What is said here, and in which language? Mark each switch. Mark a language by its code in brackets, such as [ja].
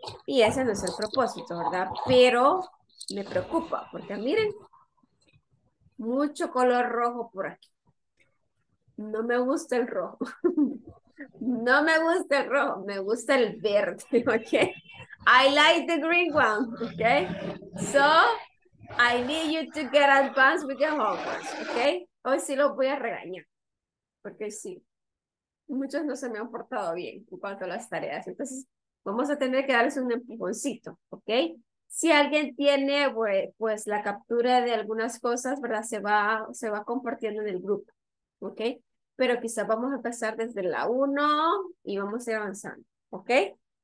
[es] Y ese no es el propósito, ¿verdad? Pero me preocupa, porque miren, mucho color rojo por aquí. No me gusta el rojo. No me gusta el rojo, me gusta el verde, ¿ok? [en] I like the green one, okay? So, I need you to get advanced with the homework, okay? [es] Hoy sí los voy a regañar, porque sí, muchos no se me han portado bien en cuanto a las tareas. Entonces, vamos a tener que darles un empujoncito, okay? Si alguien tiene, pues, la captura de algunas cosas, ¿verdad? Se va compartiendo en el grupo, okay? Pero quizás vamos a empezar desde la 1 y vamos a ir avanzando, okay?